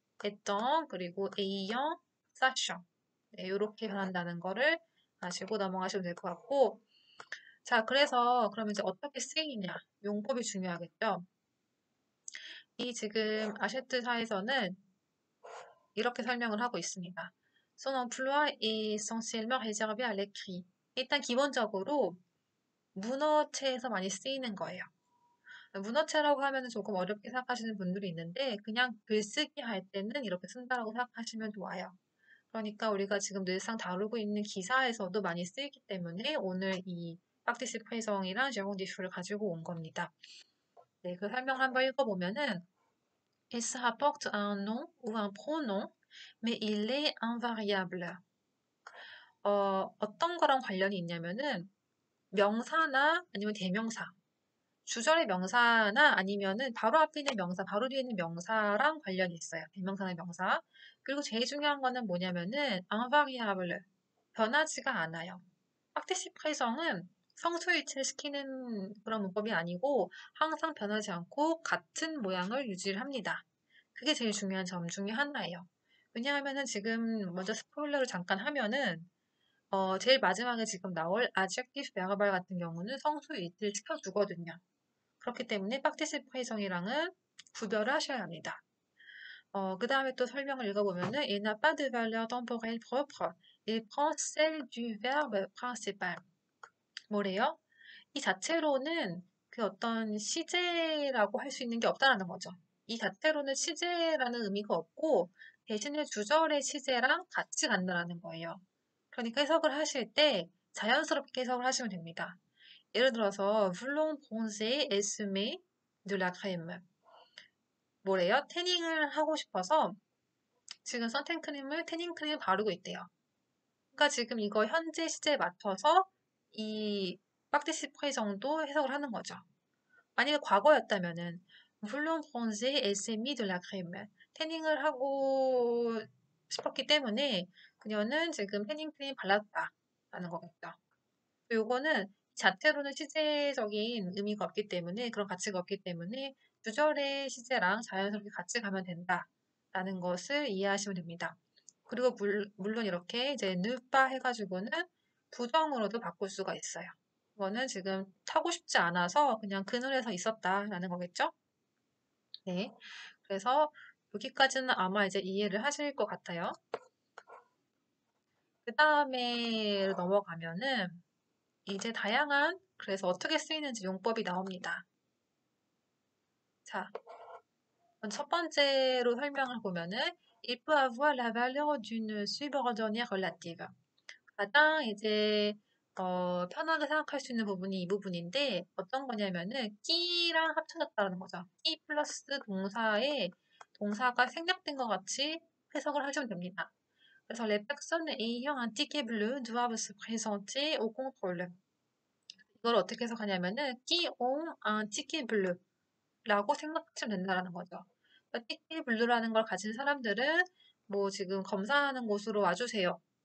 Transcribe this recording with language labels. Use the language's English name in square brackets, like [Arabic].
[Korean] 에떤 그리고 에이형 사셔 네, 이렇게 변한다는 거를 아시고 넘어가시면 될것 같고 자 그래서 그러면 이제 어떻게 쓰이냐 용법이 중요하겠죠. 이 지금 아시트사에서는 이렇게 설명을 하고 있습니다. [French] Son emploi est essentiellement réservé à l'écrit. [Korean] 일단 기본적으로 문어체에서 많이 쓰이는 거예요. 문어체라고 하면 조금 어렵게 생각하시는 분들이 있는데 그냥 글쓰기 할 때는 이렇게 쓴다라고 생각하시면 좋아요. 그러니까 우리가 지금 늘상 다루고 있는 기사에서도 많이 쓰이기 때문에 오늘 이 빡티시프레성이랑 제공지표를 가지고 온 겁니다. 네, 그 설명 한번 읽어보면은 [French] Il se rapporte à un nom ou un pronom, mais il est invariable. [Korean] 어떤 거랑 관련이 있냐면은 명사나 아니면 대명사, 주절의 명사나 아니면은 바로 앞에 있는 명사, 바로 뒤에 있는 명사랑 관련이 있어요. 대명사나 명사. 그리고 제일 중요한 거는 뭐냐면은 invariable, 변하지가 않아요. 빡티시프레성은 성수일체를 시키는 그런 문법이 아니고 항상 변하지 않고 같은 모양을 유지를 합니다. 그게 제일 중요한 점 중에 하나예요. 왜냐하면은 지금 먼저 스포일러를 잠깐 하면은 제일 마지막에 지금 나올 adjective verbal 같은 경우는 성수일체를 시켜주거든요. 그렇기 때문에 빡티시프레성이랑은 구별을 하셔야 합니다. 그 다음에 또 설명을 읽어보면은 [French] Il n'a pas de valeur temporelle propre. Il prend celle du verbe principal. [Korean] 뭐래요? 이 자체로는 그 어떤 시제라고 할수 있는 게 없다라는 거죠. 이 자체로는 시제라는 의미가 없고, 대신에 주절의 시제랑 같이 간다라는 거예요. 그러니까 해석을 하실 때 자연스럽게 해석을 하시면 됩니다. 예를 들어서, [French] Voulons bronzer esmer de la crème. [Korean] 뭐래요? 태닝을 하고 싶어서 지금 선탠크림을, 태닝크림을 바르고 있대요. 그러니까 지금 이거 현재 시제에 맞춰서 이 빡티시프레성도 해석을 하는 거죠. 만약에 과거였다면은 [French] Voulons bronzer esmer de la crème. [Korean] 태닝을 하고 싶었기 때문에 그녀는 지금 태닝크림 발랐다라는 거겠죠. 요거는 자체로는 시제적인 의미가 없기 때문에 그런 가치가 없기 때문에 주절의 시제랑 자연스럽게 같이 가면 된다라는 것을 이해하시면 됩니다. 그리고 물론 이렇게 이제 늘빠 해가지고는 부정으로도 바꿀 수가 있어요. 이거는 지금 타고 싶지 않아서 그냥 그늘에서 있었다라는 거겠죠? 네. 그래서 여기까지는 아마 이제 이해를 하실 것 같아요. 그 다음에 넘어가면은 이제 다양한, 그래서 어떻게 쓰이는지 용법이 나옵니다. 자, 첫 번째로 설명을 보면은 [French] Il peut avoir la valeur d'une subordonnée relative. [Korean] 가장 이제 편하게 생각할 수 있는 부분이 이 부분인데 어떤 거냐면은 끼랑 합쳐졌다는 거죠. 끼 플러스 동사에 동사가 생략된 것 같이 해석을 하시면 됩니다. 그래서 [French] les personnes ayant un ticket bleu doivent se présenter au contrôle. [Korean] 이걸 어떻게 해석하냐면은 끼 [French] ont un ticket bleu [Korean] 라고 생각하시면 된다는 거죠. 그러니까 ticket bleu라는 걸 가진 사람들은 뭐 지금 검사하는 곳으로 와주세요.